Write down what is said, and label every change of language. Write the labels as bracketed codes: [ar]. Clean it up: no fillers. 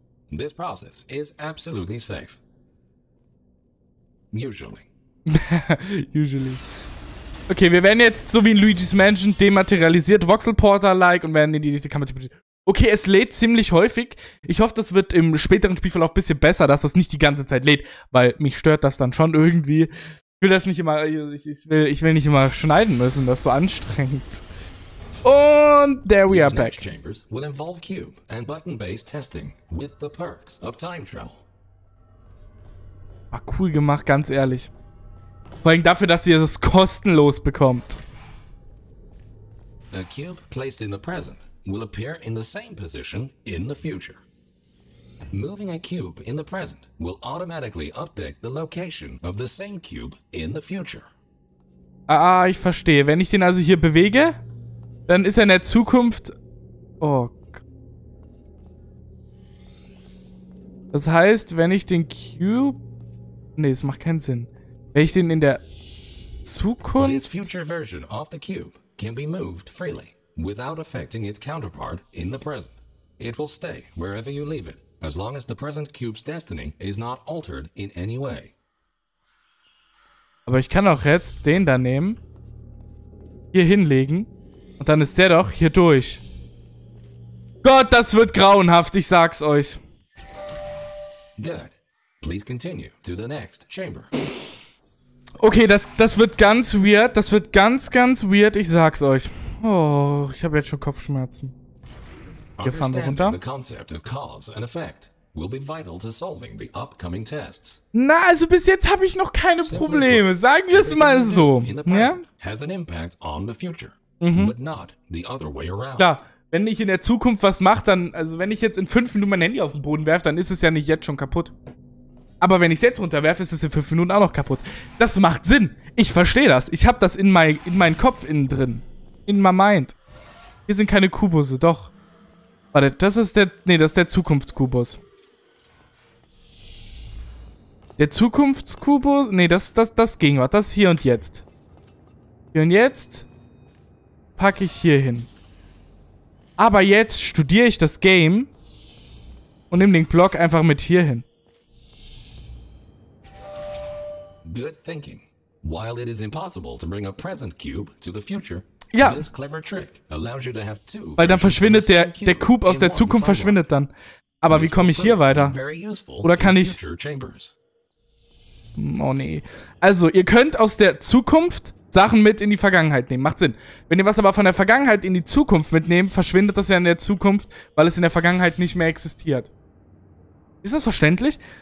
[en] This process is absolutely safe. Usually. Usually. [de] Okay, wir werden jetzt so wie in Luigi's Mansion dematerialisiert, Voxelporter-like und werden in diese Kammer. Okay, es lädt ziemlich häufig. Ich hoffe, das wird im späteren Spielverlauf ein bisschen besser, dass das nicht die ganze Zeit lädt, weil mich stört das dann schon irgendwie. Ich will das nicht immer, ich will nicht immer schneiden müssen, das ist so anstrengend. Und [en] there we are back. These chambers will involve cube and button-based testing with the perks of time travel. [de] War cool gemacht, ganz ehrlich. Vor allem dafür, dass ihr es kostenlos bekommt. [en] A cube placed in the present will appear in the same position in the future. Moving a cube in the present will automatically update the location of the same cube in the future. [de] Ah, ich verstehe. Wenn ich den also hier bewege, dann ist er in der Zukunft... Oh. Das heißt, wenn ich den Cube... Nee, es macht keinen Sinn. Wenn ich den in der Zukunft... [en] This future version of the cube can be moved freely without affecting its counterpart in the present. It will stay wherever you leave it. As long as the present cube's destiny is not altered in any way. [de] Aber ich kann auch jetzt den da nehmen, hier hinlegen und dann ist der doch hier durch. Gott, das wird grauenhaft, ich sag's euch. [en] Good. Please continue to the next chamber. [de] Okay, das wird ganz weird, das wird ganz ganz weird, ich sag's euch. Oh, ich habe jetzt schon Kopfschmerzen. Wir fahren da runter. [en] The concept of cause and effect will be vital to solving the upcoming tests. [de] Na, also bis jetzt habe ich noch keine Probleme. Sagen wir es mal so. Ja? [en] Has an impact on the future, but not the other way around. [de] Klar, wenn ich in der Zukunft was mache, dann, also wenn ich jetzt in 5 Minuten mein Handy auf den Boden werfe, dann ist es ja nicht jetzt schon kaputt. Aber wenn ich es jetzt runterwerfe, ist es in 5 Minuten auch noch kaputt. Das macht Sinn. Ich verstehe das. Ich habe das in meinen Kopf innen drin. [en] In my mind. [de] Hier sind keine Kubusse, doch. Warte, das ist der Zukunftskubus. Der Zukunftskubus? Nee, das Gegenwart. Das hier und jetzt. Hier und jetzt packe ich hier hin. Aber jetzt studiere ich das Game und nehme den Block einfach mit hier hin. [en] Good thinking. While it is impossible to bring a present cube to the future, [de] ja. [en] This clever trick allows you to have two. [de] Weil dann verschwindet der Cube aus der Zukunft verschwindet dann. Aber wie komme ich hier weiter? Oder kann ich? Oh nee. Also ihr könnt aus der Zukunft Sachen mit in die Vergangenheit nehmen. Macht Sinn. Wenn ihr was aber von der Vergangenheit in die Zukunft mitnehmt, verschwindet das ja in der Zukunft, weil es in der Vergangenheit nicht mehr existiert. Ist das verständlich?